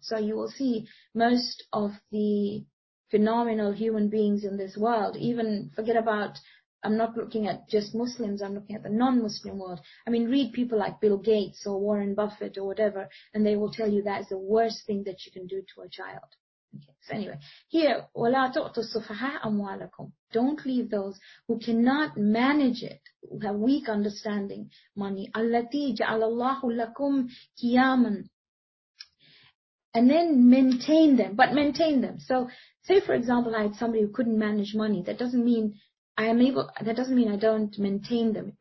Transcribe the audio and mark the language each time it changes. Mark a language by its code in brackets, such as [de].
[en] So you will see most of the phenomenal human beings in this world, even forget about, I'm not looking at just Muslims, I'm looking at the non-Muslim world. I mean, read people like Bill Gates or Warren Buffett or whatever, and they will tell you that is the worst thing that you can do to a child. Okay. So anyway, here, [ar] وَلَا تُعْتُوا السُّفَهَاءَ أَمْوَالَكُمْ. [en] Don't leave those who cannot manage it, who have weak understanding, money. [ar] أَلَّتِي جَعَلَ اللَّهُ لَكُمْ قِيَامًا. [en] And then maintain them, but maintain them. So say, for example, I had somebody who couldn't manage money. That doesn't mean that doesn't mean I don't maintain them.